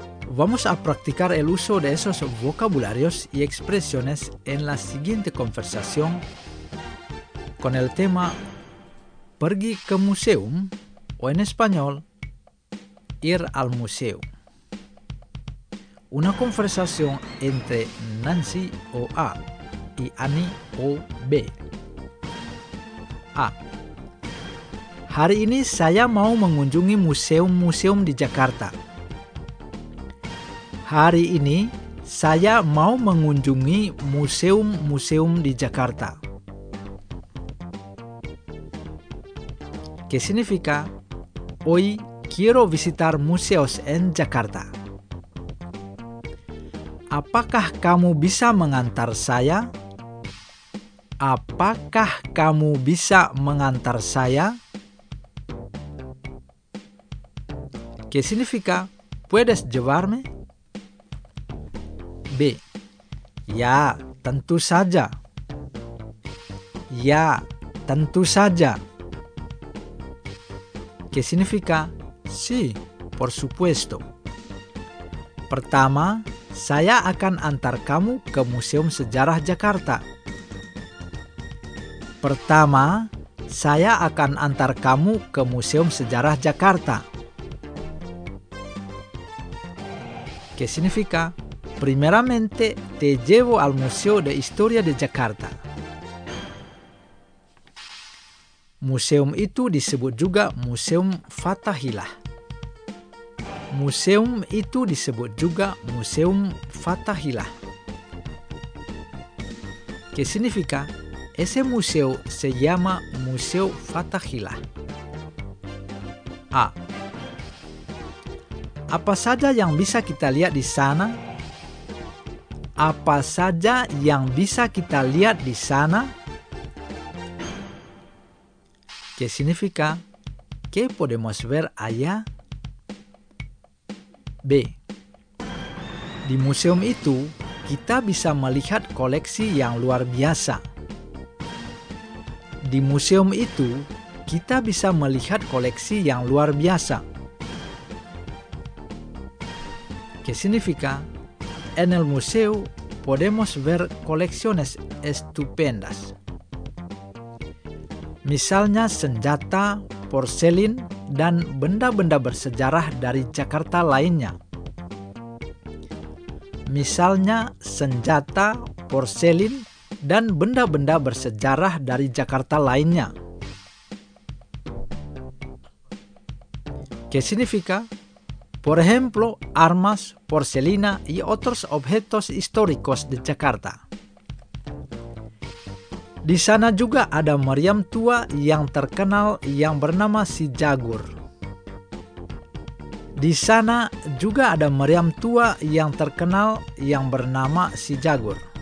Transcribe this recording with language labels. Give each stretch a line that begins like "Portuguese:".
Spanish: Vamos a practicar el uso de esos vocabularios y expresiones en la siguiente conversación con el tema
Indonesian: pergi ke museum,
Spanish: o en español, ir al museo. Una conversación entre Nancy o A y Annie o B. A.
Indonesian: Hari ini saya mau mengunjungi museum-museum di Jakarta. Hari ini saya mau mengunjungi museum-museum di Jakarta.
Spanish: Que significa hoy quiero visitar museos en Jakarta.
Indonesian: Apakah kamu bisa mengantar saya? Apakah kamu bisa mengantar saya?
Spanish: Que significa puedes llevarme?
Indonesian: B. Ya, tentu saja. Ya, tentu saja.
Spanish: Que significa sí, por supuesto.
Indonesian: Pertama, saya akan antar kamu ke Museum Sejarah Jakarta. Pertama, saya akan antar kamu ke Museum Sejarah Jakarta.
Spanish: Que significa primeramente te llevo al Museo de Historia de Jakarta.
Indonesian: Museum itu disebut juga Museum Fathahillah. Museum itu disebut juga Museum Fathahillah.
Spanish: Que significa ese museo se llama Museo Fathahillah. A.
Indonesian: Apa saja yang bisa kita lihat di sana? Apa saja yang bisa kita lihat di sana?
Spanish: Que significa ¿qué podemos ver allá? B.
Indonesian: Di museum itu, kita bisa melihat koleksi yang luar biasa. Di museum itu, kita bisa melihat koleksi yang luar biasa.
Spanish: Que significa, en el museo podemos ver colecciones estupendas.
Indonesian: Misalnya senjata, porselin, dan benda-benda bersejarah dari Jakarta lainnya. Misalnya senjata, porselin, dan benda-benda bersejarah dari Jakarta lainnya.
Spanish: ¿Qué significa? Por ejemplo, armas, porcelina y otros objetos históricos de Jakarta.
Indonesian: Di sana juga ada meriam tua yang terkenal yang bernama si Jagur. Di sana juga ada meriam tua yang terkenal yang bernama si Jagur.